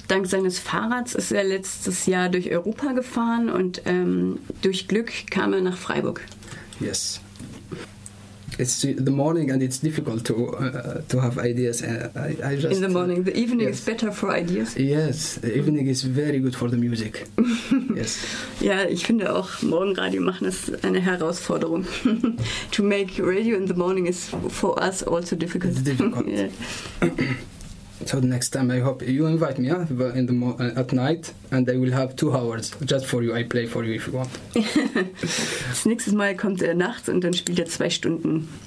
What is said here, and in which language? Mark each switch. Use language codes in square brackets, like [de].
[de] Dank seines Fahrrads ist er letztes Jahr durch Europa gefahren und durch Glück kam er nach Freiburg. [en] Yes. It's the morning and it's difficult to have ideas. I just, in the morning. The evening is better for ideas. Yes, the evening is very good for the music. Yes. [de] Ja, ich finde auch, Morgenradio machen ist eine Herausforderung. [en] To make radio in the morning is for us also difficult. It's difficult. So the next time I hope you invite me at night and I will have 2 hours just for you. I play for you if you want. [de] Das nächste Mal kommt er nachts und dann spielt er 2 Stunden.